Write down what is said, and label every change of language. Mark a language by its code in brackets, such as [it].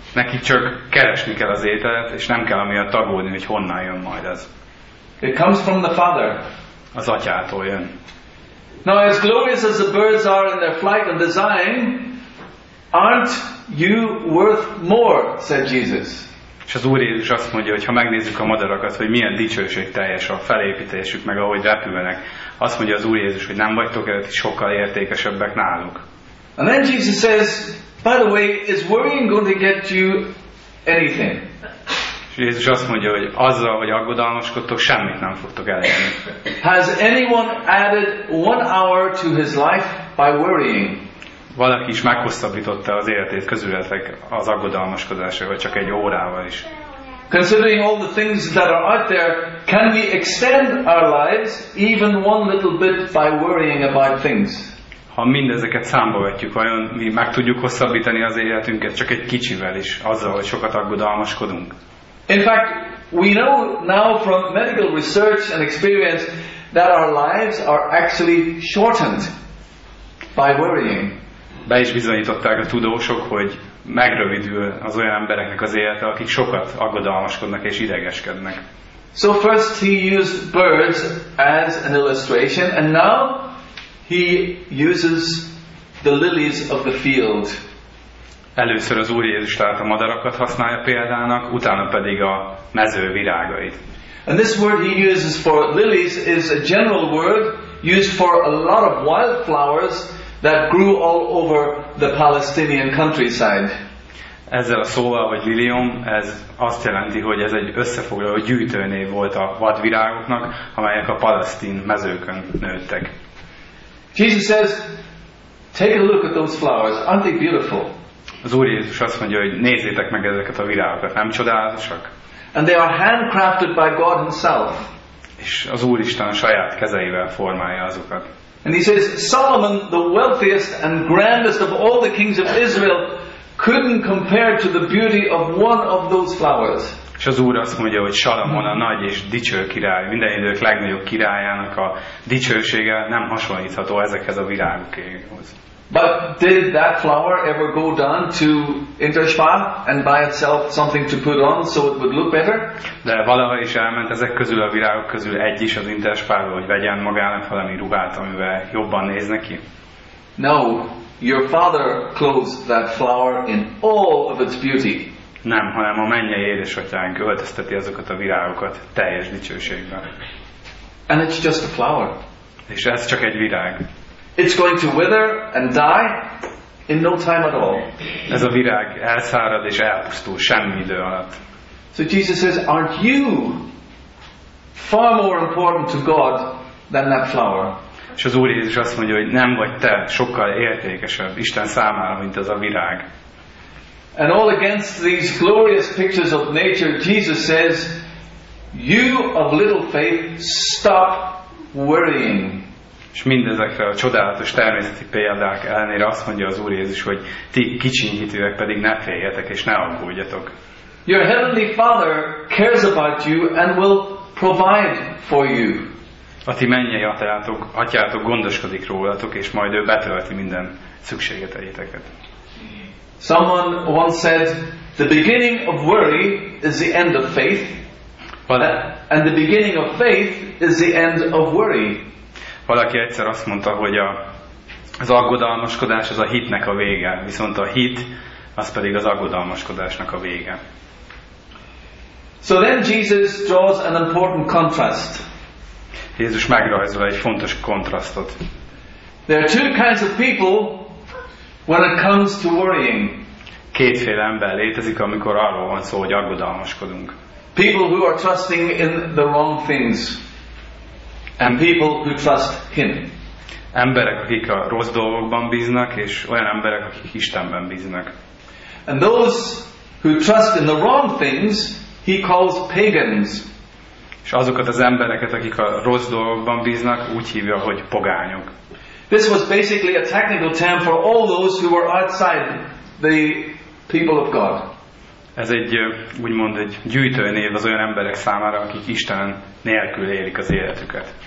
[hu] Nekik csak keresni kell az ételt, és nem kell amiatt aggódni, hogy honnan jön majd ez. [en] It comes from the Father. [hu] Az Atyától jön. [en] Now, as glorious as the birds are in their flight and design, aren't you worth more, said Jesus. [hu] És az Úr Jézus azt mondja, hogy ha megnézzük a madarakat, hogy milyen dicsőség teljes a felépítésük, meg ahogy repülnek, azt mondja az Úr Jézus, hogy nem vagytok előtti sokkal értékesebbek náluk. [en] And then Jesus says, by the way, is worrying going to get you anything? [hu] És Jézus azt mondja, hogy azzal, hogy aggodalmaskodtok, semmit nem fogtok elérni. [en] Has anyone added one hour to his life by worrying? [hu] Valaki is meghosszabbította az életét közületek az aggodalmaskodásra, vagy csak egy órával is. [en] Considering all the things that are out there, can we extend our lives even one little bit by worrying about things? [hu] Ha mindezeket számba vetjük, vajon mi meg tudjuk hosszabbítani az életünket csak egy kicsivel is, azzal, hogy sokat aggodalmaskodunk? [en] In fact, we know now from medical research and experience that our lives are actually shortened by worrying. [hu] Be is bizonyították a tudósok, hogy megrövidül az olyan embereknek az élete, akik sokat aggodalmaskodnak és idegeskednek. [en] So first he used birds as an illustration, and now he uses the lilies of the field. [hu] Először az Úr Jézus tehát a madarakat használja példának, utána pedig a mező virágait. [en] And this word he uses for lilies is a general word used for a lot of wildflowers that grew all over the Palestinian countryside. [hu] Ezzel a szóval, vagy lilium, ez azt jelenti, hogy ez egy összefoglaló gyűjtőnév volt a vadvirágoknak, amelyek a palesztin mezőkön nőttek. [en] Jesus says, take a look at those flowers, aren't they beautiful? [hu] Az Úr Jézus azt mondja, hogy nézzétek meg ezeket a virágokat, nem csodálatosak? [en] And they are handcrafted by God himself. [hu] És az Úristen saját kezeivel formálja azokat. [en] And he says, Solomon, the wealthiest and grandest of all the kings of Israel, couldn't compare to the beauty of one of those flowers. [hu] És az Úr azt mondja, hogy Salamon a nagy és dicső király, minden idők legnagyobb királyának a dicsősége nem hasonlítható ezekhez a virágokéhoz. [en] But did that flower ever go down to Interspa and buy itself something to put on so it would look better? [hu] De valaha is elment ezek közül a virágok közül egy is az Interspa-ba, hogy vegyen magának valami ruhát, amivel jobban néz neki? [en] No, your father clothed that flower in all of its beauty. [hu] Nem, hanem a mennyei édesatyánk öltözteti azokat a virágokat teljes dicsőségben. [en] And it's just a flower. [hu] És ez csak egy virág. [en] It's going to wither and die in no time at all. [hu] Ez a virág elszárad és elpusztul semmi idő alatt. [en] So Jesus says, aren't you far more important to God than that flower? [hu] És az Úr Jézus azt mondja, hogy nem vagy te sokkal értékesebb Isten számára, mint az a virág. [en] And all against these glorious pictures of nature, Jesus says, you of little faith, stop worrying. [hu] És mindezekre a csodálatos természeti példák ellenére azt mondja az Úr Jézus, hogy ti kicsinyhitűek pedig ne féljetek és ne aggódjatok. [en] Your heavenly Father cares about you and will provide for you. [hu] A ti mennyei atyátok gondoskodik rólatok, és majd ő betölti minden szükségeteiteket. [en] Someone once said, the beginning of worry is the end of faith, and the beginning of faith is the end of worry. [hu] Valaki egyszer azt mondta, hogy az aggodalmaskodás az a hitnek a vége, viszont a hit az pedig az aggodalmaskodásnak a vége. [en] So then Jesus draws an important contrast. [hu] Jézus megrajzol egy fontos kontrasztot. [en] There are two kinds of people when it comes to worrying. [hu] Kétféle ember létezik, amikor arról van szó, hogy aggodalmaskodunk. [en] People who are trusting in the wrong things and people who trust him. [hu] Emberek, akik a rossz dolgokban bíznak, és olyan emberek, akik Istenben bíznak. [en] And those who trust in the wrong things, he calls pagans. [hu] És azokat az embereket, akik a rossz dolgokban bíznak, úgy hívja, hogy pogányok. [en] This was basically a technical term for all those who were outside the people of God. [hu] Ez egy úgymond egy gyűjtő név az olyan emberek számára, akik Isten nélkül élik az életüket.